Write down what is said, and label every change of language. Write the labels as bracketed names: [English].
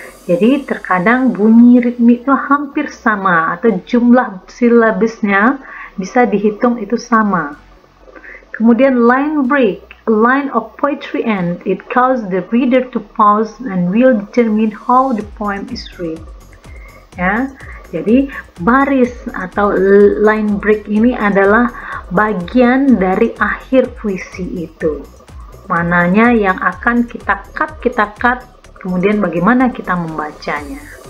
[Indonesian] Jadi terkadang bunyi rhythmic itu hampir sama atau jumlah syllabusnya bisa dihitung itu sama. Kemudian [English] line break, a line of poetry end. It causes the reader to pause and will determine how the poem is read. [Indonesian] Ya. Jadi baris atau line break ini adalah bagian dari akhir puisi itu. Mananya yang akan kita cut, kemudian bagaimana kita membacanya.